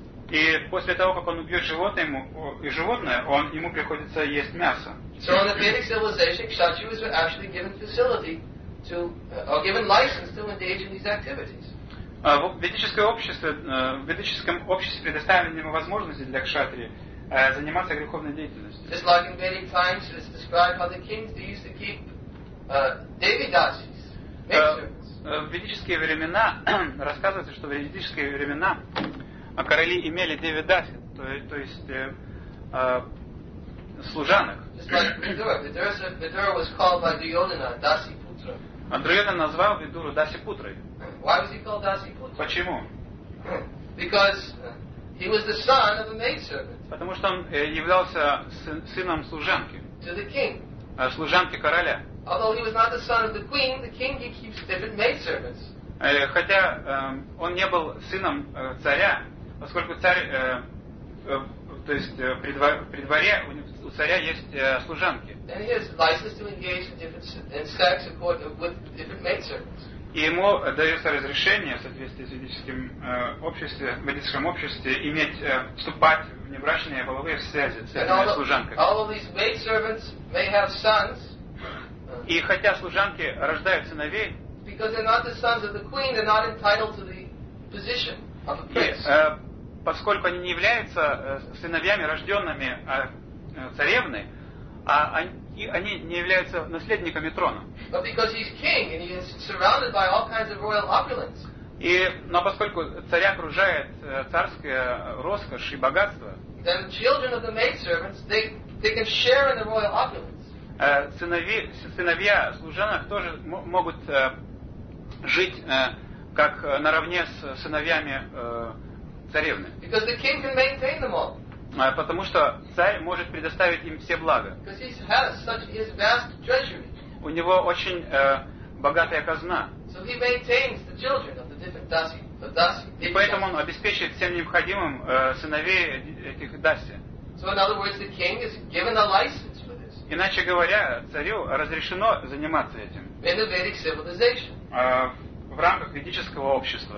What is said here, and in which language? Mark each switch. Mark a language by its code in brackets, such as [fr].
[ru] И после того, как он убьет животное, ему приходится есть мясо. [en] So in the Vedic civilization, Kshatri was actually given facility to or given license to engage in these activities. [ru] В ведическом обществе предоставлены ему возможности для кшатрии заниматься греховной деятельностью. [en] Just like in many times it is described how the kings they used to keep devidasis. [ru] В ведические времена рассказывается, что в ведические времена короли имели девидаси, то есть служанок. [en] Vidura was called by Duryodhana Dasi Putra. [ru] А Дурьёдан назвал Видуру Даси Путрой. [en] Why was he called Dasi Putra? [ru] Почему? [en] Because he was the son of a maidservant. [ru] Потому что он являлся сыном служанки. [en] To the king. [ru] Служанки короля. [en] Although he was not the son of the queen, the king he keeps different maidservants. [ru] Хотя он не был сыном царя, поскольку царь, то есть при дворе у царя есть служанки. [en] And he has license to engage in different sex with different maidservants. [ru] И ему дается разрешение в соответствии с ведическим ведическом обществе иметь вступать в небрачные половые связи с этими служанками. [en] All of these maidservants may have sons. [ru] И хотя служанки рождают сыновей, [en] because they're not the sons of the queen, they're not entitled to the position of a prince. [ru] Поскольку они не являются сыновьями, рожденными царевны, и они не являются наследниками трона. [en] But because he's king and he is surrounded by all kinds of royal opulence. [ru] Но поскольку царя окружает царская роскошь и богатство, [en] then children of the maidservants they can share in the royal opulence. [ru] Сыновья служанок тоже могут жить как наравне с сыновьями царевны. [en] Because the king can maintain them all. [ru] Потому что царь может предоставить им все блага. [en] Because he has such his vast treasury. [ru] У него очень богатая казна. [en] So he maintains the children of the different dasi, the dasi. [ru] И поэтому он обеспечивает всем необходимым сыновей этих даси. [en] So in other words, the king is given a license. [ru] Иначе говоря, царю разрешено заниматься этим в рамках ведического общества.